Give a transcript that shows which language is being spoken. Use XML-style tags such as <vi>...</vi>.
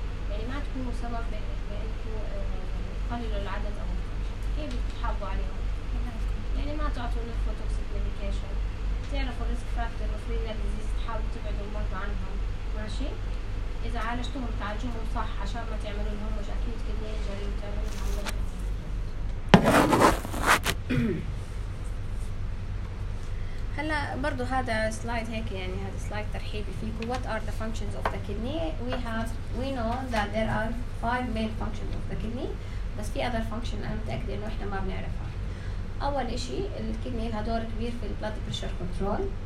<ar>يعني ما تكونوا سبب بانكم تقللوا العدد او الفانكشن، كيف بدكم تحافظوا عليهم؟ يعني ما تعطوا نيفروتوكسيك ميديكيشن، تعرفوا الريسك فاكتور وفي ديزيز تحاولوا تبعدوا المرضى عنهم، ماشي؟ إذا عالجتهم تعالجوهم صح عشان ما تعملوا لهم مش أكيد كدني إنجري وتعملوا لهم مرضى. هلا هلا برضو هذا سلايد هيك يعني هذا سلايد ترحيبي فيك.</ar> <en>What are the functions of the kidney? We know that there are 5 main functions of the kidney.</en> <ar>بس في other function أنا متأكدة إنه إحنا ما بنعرفها. أول إشي الكيدني لها دور كبير في blood pressure control.</ar>